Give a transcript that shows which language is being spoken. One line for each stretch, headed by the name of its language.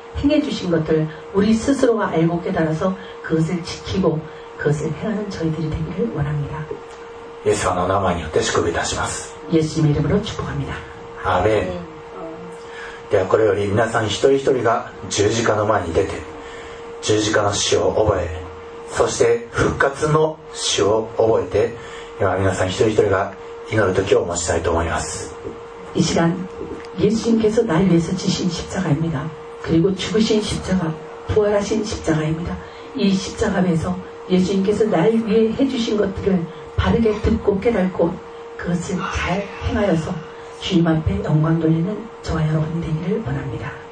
Korean: 행해 주신 것들 우리 스스로가 알고 깨달아서 그것을 지키고 그것을 행하는 저희들이 되기를 원합니다. 예수님의 이름으로 축복합니다. 예수님의 이름으로 축복합니다. 아멘.
Japanese: 그럼 これより 皆さん 一人一人が 十字架の前に 出て 十字架の死を覚え そして復活の死を覚えて 今皆さん 一人一人が 祈る時を持ちたいと思います。
Korean: 이 시간 예수님께서 나를 위해서 지신 십자가입니다. 그리고 죽으신 십자가, 부활하신 십자가입니다. 이 십자가 위에서 예수님께서 나를 위해 해주신 것들을 바르게 듣고 깨닫고 그것을 잘 행하여서 주님 앞에 영광 돌리는 저와 여러분 되기를 원합니다.